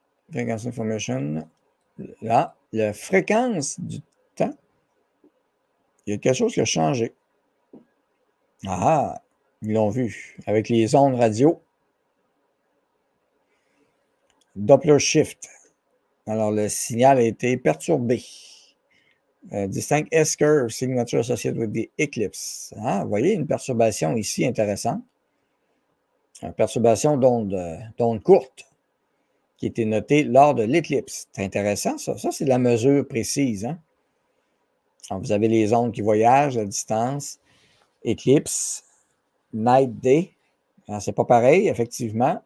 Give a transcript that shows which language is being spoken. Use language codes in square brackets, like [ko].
[fr] Fréquence information. Là, la fréquence du temps. Il y a quelque chose qui a changé. Ah, ils l'ont vu avec les ondes radio. Doppler shift. Alors, le signal a été perturbé. [en] Distinct S-curve, signature associated with the eclipse. [fr] Ah, vous voyez une perturbation ici intéressante. Une perturbation d'onde courte qui a été notée lors de l'éclipse. C'est intéressant, ça. Ça, c'est de la mesure précise. Hein? Alors, vous avez les ondes qui voyagent à distance. Éclipse, night day. C'est pas pareil, effectivement.